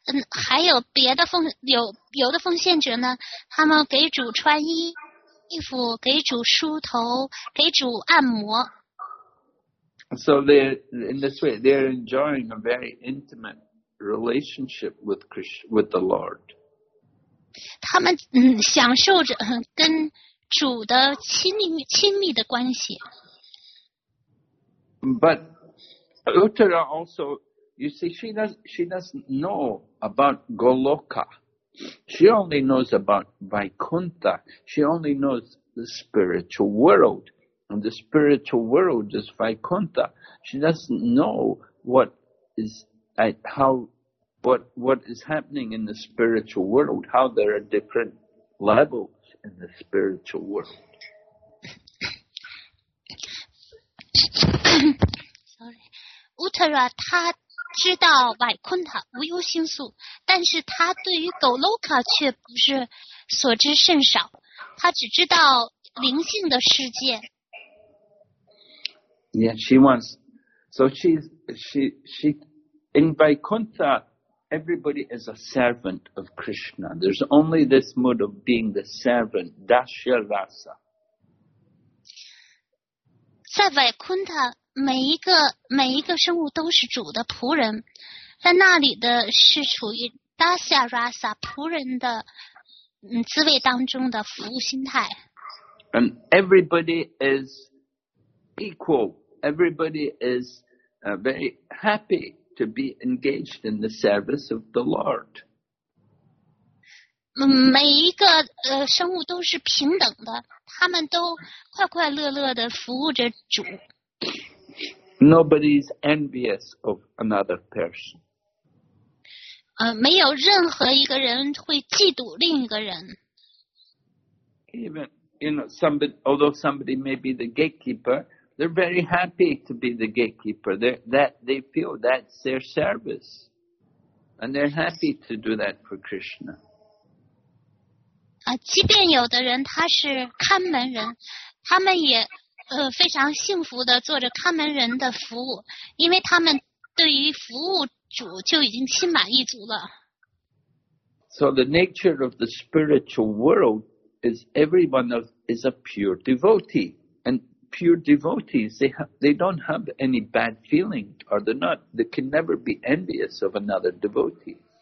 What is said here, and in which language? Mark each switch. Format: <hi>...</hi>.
<zh>还有别的奉有的奉献者呢，他们给主穿衣服，给主梳头，给主按摩。</zh> <en>So they're in this way, they're enjoying a very intimate relationship with Krishna, with the Lord.</en> <zh>他们享受着跟主的亲密的关系。</zh> <en>But Uttara also, you see, she doesn't know about Goloka. She only knows about Vaikuntha. She only knows the spiritual world. And the spiritual world is Vaikuntha. She doesn't know what is happening in the spiritual world, how there are different levels in the spiritual world. Sorry.</en> <zh>Uttara, 他知道 Vaikuntha, 无忧星宿，但是他对于 Goloka 却不是所知甚少，他只知道灵性的世界。</zh> <en>Yeah, she wants, so she's in Vaikuntha, everybody is a servant of Krishna. There's only this mode of being the servant, Dasya Rasa.</en> <zh>在 Vaikuntha, 每一个生物都是主的仆人，在那里的是处于 Dasya Rasa, 仆人的滋味当中的服务心态。</zh> <en>And everybody is equal. Everybody is very happy to be engaged in the service of the Lord.</en> <zh>每一个生物都是平等的，他们都快快乐乐的服务着主。</zh> <en>Nobody is envious of another person.</en> <zh>没有任何一个人会嫉妒另一个人。</zh> <en>Even, you know, somebody may be the gatekeeper. They're very happy to be the gatekeeper. They feel that's their service. And they're happy to do that for Krishna.</en> <zh>即便有的人他是看门人，他们也非常幸福地做着看门人的服务，因为他们对于服务主就已经心满意足了。</zh> <en>So the nature of the spiritual world is everyone is a pure devotee. Pure devotees, they don't have any bad feeling, or they're not, they can never be envious of another devotee.</en>